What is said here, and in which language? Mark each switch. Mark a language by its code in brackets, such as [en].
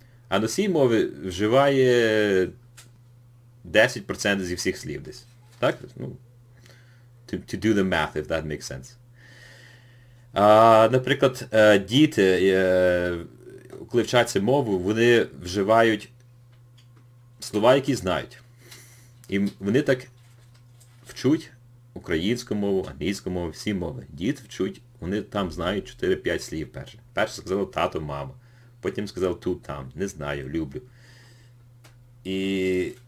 [uk] А носій мови вживає 10% зі всіх слів десь. Так? [en] Ну, to do the math, if that makes sense. [uk] Наприклад, діти, коли вчаться мову, вони вживають слова, які знають. І вони так вчуть українську мову, англійську мову, всі мови. Діти вчуть, вони там знають 4-5 слів перше. Перше сказали тато, мама. Потім сказав тут, там, не знаю, люблю. І